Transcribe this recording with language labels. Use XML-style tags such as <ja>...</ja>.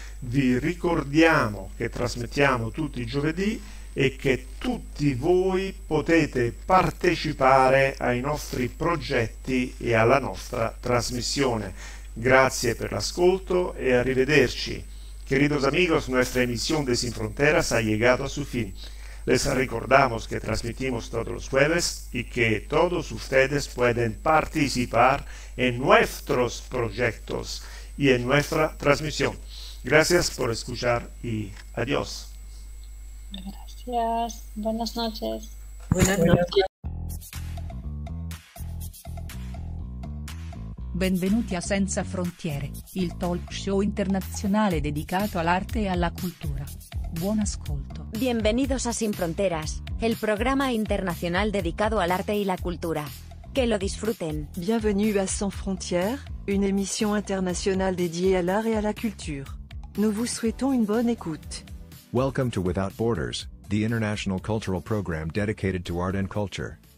<it>Vi ricordiamo che trasmettiamo tutti i giovedì e che tutti voi potete partecipare ai nostri progetti e alla nostra trasmissione. Grazie per l'ascolto e arrivederci.</it> <es>Queridos amigos, nuestra emisión de Sin Fronteras ha llegado a su fin. Les recordamos que transmitimos todos los jueves y que todos ustedes pueden participar en nuestros proyectos y en nuestra transmisión. Gracias por escuchar y adiós. Gracias. Buenas noches. Buenas noches.</es> <it>Benvenuti a Senza Frontiere, il talk show internazionale dedicato all'arte e alla cultura. Buon ascolto.</it> <es>Bienvenidos a Sin Fronteras, el programa internacional dedicado al arte y la cultura. Que lo disfruten.</es> <fr>Bienvenue à Sans Frontières, une émission internationale dédiée à l'art et à la culture. Nous vous souhaitons une bonne écoute.</fr> <en>Welcome to Without Borders, the international cultural program dedicated to art and culture.</en>